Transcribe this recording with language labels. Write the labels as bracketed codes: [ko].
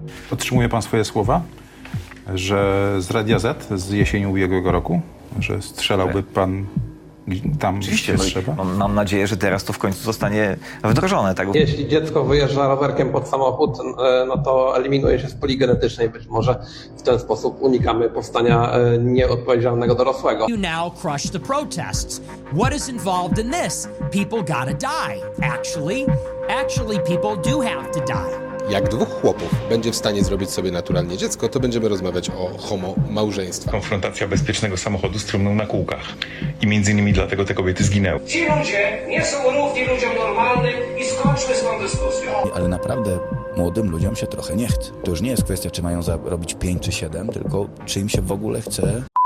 [pl] Podtrzymuje pan swoje słowa, że z Radia Z, z jesieni ubiegłego roku, że strzelałby pan tam, gdzie trzeba? No, mam nadzieję, że teraz to w końcu zostanie wdrożone. Tak? Jeśli dziecko wyjeżdża rowerkiem pod samochód, no to eliminuje się z puli genetycznej. Być może w ten sposób unikamy powstania nieodpowiedzialnego dorosłego. [en] You now crush the protests. What is involved in this? People gotta die. Actually people do have to die. [pl] Jak dwóch chłopów będzie w stanie zrobić sobie naturalnie dziecko, to będziemy rozmawiać o homo-małżeństwie. Konfrontacja bezpiecznego samochodu z trumną na kółkach. I między innymi dlatego te kobiety zginęły. Ci ludzie nie są równi ludziom normalnym i skończmy z tą dyskusją. Ale naprawdę młodym ludziom się trochę nie chce. To już nie jest kwestia, czy mają zarobić 5 czy 7, tylko czy im się w ogóle chce...